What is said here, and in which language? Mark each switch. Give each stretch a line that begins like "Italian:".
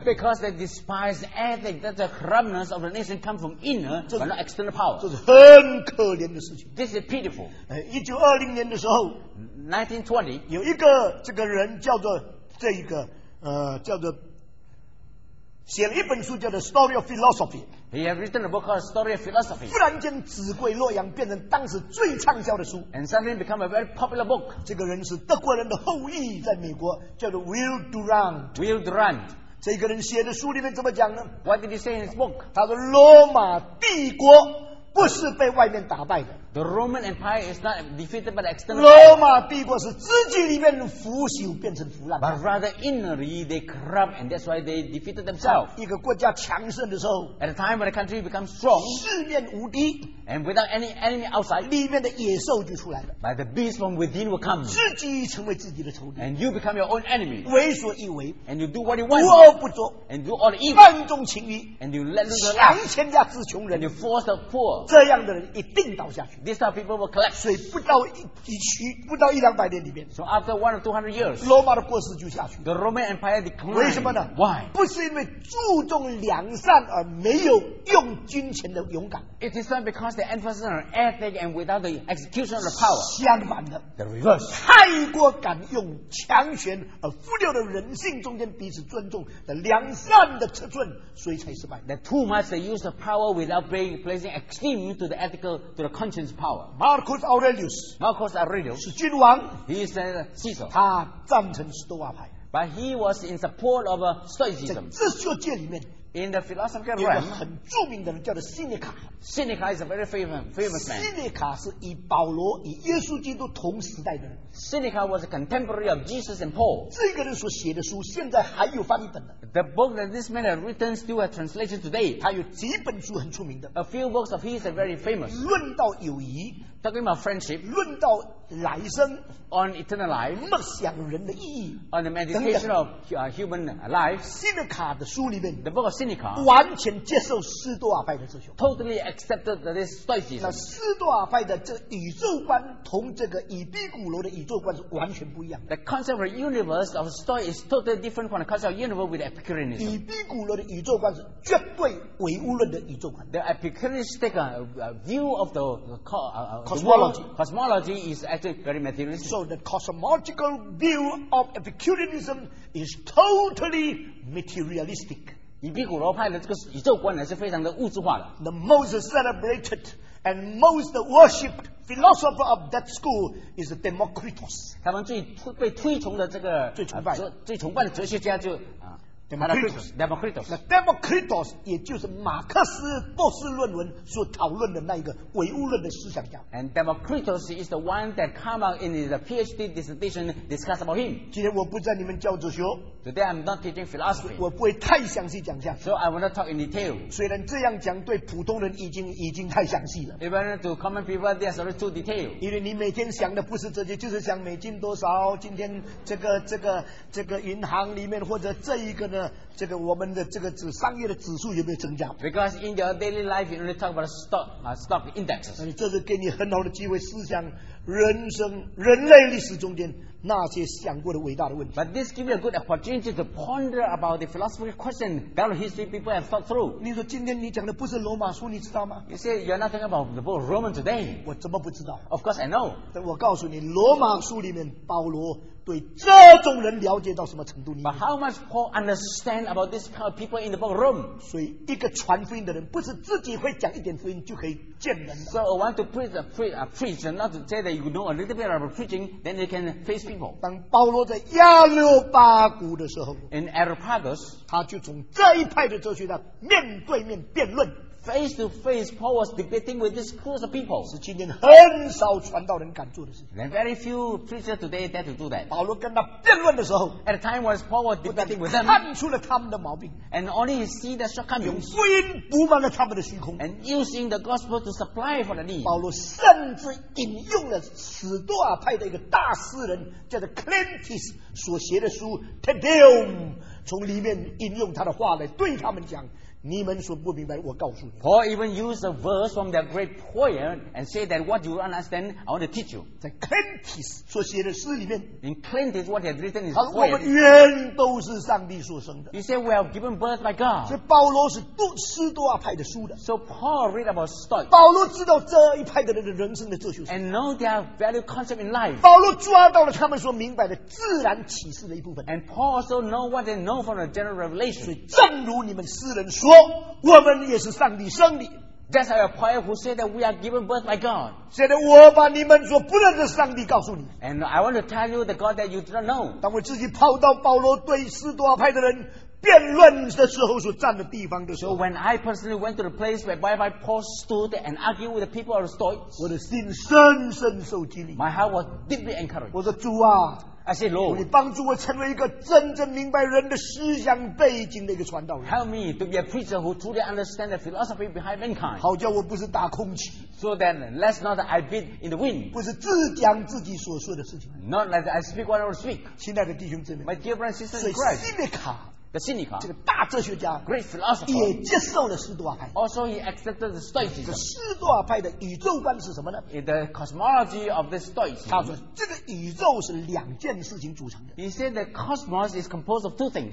English: Because they despise the ethic that the corruptness of the nation come from inner, but not external power。
Chinese: 这是很可怜的事情。
English: This is pitiful。
Chinese: 1920年的时候，1920，有一个这个人叫做这一个叫做。写了一本书叫做 Story of Philosophy。
English: He has written a book called Story of Philosophy。
Chinese: 忽然间纸贵洛阳变成当时最畅销的书。
English: And suddenly become a very popular book。
Chinese: 这个人是德国人的后裔，在美国叫做 Will Durant。
English: Will Durant。
Chinese: 这个人写的书里面怎么讲呢？
English: What did he say in his book？
Chinese: 他说罗马帝国不是被外面打败的。
English: The Roman Empire is not defeated by the external power。
Chinese: 罗马帝国是自己里面腐朽变成腐烂。
English: But rather inwardly they corrupt and that's why they defeated themselves。
Chinese: 一个国家强盛的时候
English: At a time when a country becomes strong，
Chinese: 四面无敌
English: And without any enemy outside，
Chinese: 里面的野兽就出来了。
English: But the beast from within will come，
Chinese: 自己成为自己的仇敌。
English: And you become your own enemy，
Chinese: 为所欲为。
English: And you do what you want，
Chinese: 无恶不作。
English: And do all the evil，
Chinese: 放纵情欲。
English: And you let loose the life，
Chinese: 强强压制穷人。
English: And you force the poor，
Chinese: 这样的人一定倒下去。
English: These people will collapse。
Chinese: 所以不到不到一两百年里面。
English: So after 100 years，
Chinese: 罗马的国势就下去。
English: The Roman Empire declined。
Chinese: 为什么呢
English: ？Why？
Chinese: 不是因为注重良善而没有用金钱的勇敢。
English: It is not because they emphasize on ethic and without the execution of the power。
Chinese: 相反的
English: ，The reverse。
Chinese: 太过敢用强权而忽略了人性中间彼此尊重的良善的尺寸，所以才失败。
English: That too much they use the power without placing esteem。 To the ethical, to the conscience power. Marcus Aurelius. Marcus Aurelius
Chinese: 是君王。
English: He is a Caesar.
Chinese: 他赞成斯多瓦派。
English: But he was in support of Stoicism.
Chinese: 在哲学界里面
English: ，in the philosophical realm，
Chinese: 有个很著名的人叫做 Seneca。
English: Seneca is a very famous man.
Chinese: Seneca 是与保罗、与耶稣基督同时代的人。
English: Seneca was a contemporary of Jesus and Paul.
Chinese: 这个人所写的书现在还有翻译本的。
English: The book that this man has written still has translation today.
Chinese: 他有几本书很出名的。
English: A few books of his are very famous.
Chinese: 论到友谊
English: ，talking about friendship，
Chinese: 论到来生
English: ，on eternal life，
Chinese: 梦想人的意义
English: ，on the meditation of human life。
Chinese: Seneca 的书里面
English: ，the book of Seneca，
Chinese: 完全接受斯多瓦派的思想
English: ，totally accepted this Stoicism。
Chinese: 那斯多瓦派的这宇宙观同这个以毕古罗的宇宙观是完全不一样的。
English: The concept of universe of Stoic is totally different from the concept of universe with Epicureanism。以毕古罗的宇宙观是绝对唯物论的宇宙观。 The Epicureanistic view of the cosmology is actually very materialistic. So the cosmological view of Epicureanism is totally materialistic.
Chinese: 以毕古罗派的这个宇宙观呢是非常的物质化的。
English: The most celebrated and most worshipped. Philosopher of that school is Democritus.
Chinese: 他们最被推崇的这个最崇拜的哲学家就Democritus。那 Democritus 也就是马克思博士论文所讨论的那一个唯物论的思想家。
English: And Democritus is the one that came out in his PhD dissertation discuss about him.
Chinese: 今天我不在你们教哲学。
English: Today I'm not teaching philosophy.
Chinese: 我不会太详细讲下去。
English: So I will not talk in detail.
Chinese: 虽然这样讲对普通人已经太详细了。
English: Even to common people, that's already too detailed.
Chinese: 因为你每天想的不是这些，就是想美金多少，今天这个银行里面或者这一个呢，这个我们的这个商业的指数有没有增加
English: ？Because in your daily life, you only talk about stock indexes.
Chinese: 这是给你很好的机会思想人生、人类历史中间。那些想过的伟大的问题。
English: But this gives you a good opportunity to ponder about the philosophical question that history people have thought through.
Chinese: 你说今天你讲的不是罗马书，你知道吗
English: ？You say you're not talking about the book of Roman today.
Chinese: 我怎么不知道
English: ？Of course I know.
Chinese: 但我告诉你，罗马书里面保罗对这种人了解到什么程度？你
English: ？But how much Paul understand about this kind of people in the book of Rome?
Chinese: 所以一个传福音的人，不是自己会讲一点福音就可以见人。
English: So I want to preach, not to say that you know a little bit about preaching, then you can face people.
Chinese: 当保罗在亚六巴谷的时候
English: ，In Areopagus，
Chinese: 他就从这一派的哲学家面对面辩论
English: ，Face to face， Paul was debating with this group of people，
Chinese: 是今天很少传道人敢做的事情。
English: And very few preachers today dare to do that。
Chinese: 保罗跟他辩论的时候
English: ，At the time when Paul was debating with them，
Chinese: 看出了他们的毛病
English: ，And only see the shortcomings，
Chinese: 用福音补满了他们的虚空
English: ，And using the gospel to supply for the need。
Chinese: 保罗甚至引用了史多瓦派的一个大诗人。叫做 Clintus 所写的书 Tedeum 从里面引用他的话来对他们讲你们所不明白，我告诉你。
English: Paul even used a verse from that great poem and said that what you understand, I want to teach you.
Chinese: 在 Cantus 所写的诗里面
English: ，In Cantus what he had written is poem.
Chinese: 他说我们原都是上帝所生的。
English: He said we are given birth by God.
Chinese: 所以保罗是读斯多亚派的书的。
English: So Paul read about Stoics.
Chinese: 保罗知道这一派的人的人生的哲学。
English: And know their value concept in life.
Chinese: 保罗抓到了他们所明白的自然启示的一部分。
English: And Paul also know what they know from the general revelation.
Chinese: 所以正如你们诗人说。我们也是上帝生的。
English: That's our prayer who said that we are given birth by God.
Chinese: 现在我把你们所不认识的上帝告诉你。
English: And I want to tell you the God that you do not know.
Chinese: 当我自己跑到保罗对斯多亚派的人辩论的时候所站的地方的时候。
English: So when I personally went to the place where my Paul stood and argued with the people of the Stoics,
Chinese: 我的心深深受激励。
English: My heart was deeply encouraged.
Chinese: 我说主啊。
English: I said, Lord,
Chinese: 你帮助我成为一个真正明白人的思想背景的一个传道人。
English: Help me to be a preacher who truly understands the philosophy behind mankind.
Chinese: 好叫我不是打空气。
English: So that let's not I beat in the wind.
Chinese: 不是自讲自己所说的事情。
English: Not like I speak what I will speak.
Chinese: 亲爱的弟兄姊妹
English: ，My dear brothers and sisters in Christ.
Chinese: 所以Seneca,
English: the Seneca,
Chinese: 这个大哲学家
English: ，great philosopher,
Chinese: 也接受了斯多亚派。
English: Also he accepted the Stoicism.
Chinese: 这斯多亚派的宇宙观是什么呢
English: ？In the cosmology of the Stoicism.
Chinese: 他说这个宇宙是两件。事情组成的。
English: He said the cosmos is composed of two things.